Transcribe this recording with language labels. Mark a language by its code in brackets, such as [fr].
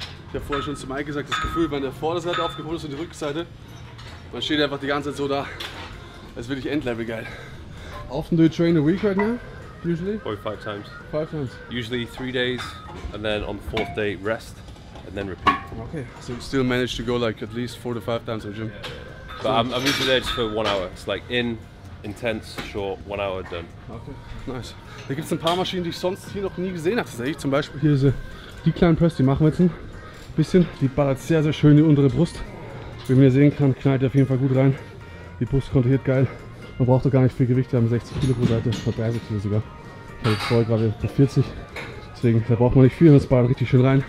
[de] Ich habe vorher schon zu Mike gesagt, das Gefühl, wenn der Vorderseite aufgepumpt ist und die Rückseite, Man steht einfach die ganze Zeit so da. Das ist wirklich Endlevel geil. [en] Often do you train a week right now? Usually? Probably five times. Five times. Usually 3 days and then on the fourth day rest and then repeat. Okay. So you still manage to go like at least 4 to 5 times to the gym? Yeah. But so I'm usually there just for 1 hour. It's like in, intense, short, 1 hour done. Okay. Nice. [de] Da gibt es ein paar Maschinen, die ich sonst hier noch nie gesehen habe. Tatsächlich zum Beispiel. Hier ist die kleine Press, die machen wir jetzt ein bisschen. Die ballert sehr, sehr schön die untere Brust. Wie man hier sehen kann, knallt er auf jeden Fall gut rein. Die Brust kontrolliert geil. Man braucht doch gar nicht viel Gewicht, wir haben 60 Kilo pro Seite, 30 Kilo sogar. Ich habe vorher gerade bei 40, deswegen da braucht man nicht viel, das ballert richtig schön rein.